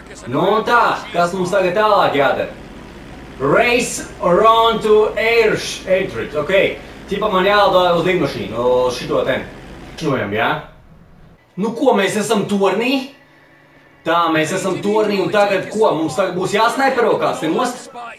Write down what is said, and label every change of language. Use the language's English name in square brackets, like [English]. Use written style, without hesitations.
[Latvian] Nu tā, kas mums tagad tālāk jādara? [English] Race around to Airdrie, ok. [Latvian] Tipa man jālido uz lidmašīnu, šito ten. Šņojam, ja? Nu ko, mēs esam tornī? Tā, mēs esam tornī un tagad ko? Mums tagad būs jāsnaipero kāds, ir most?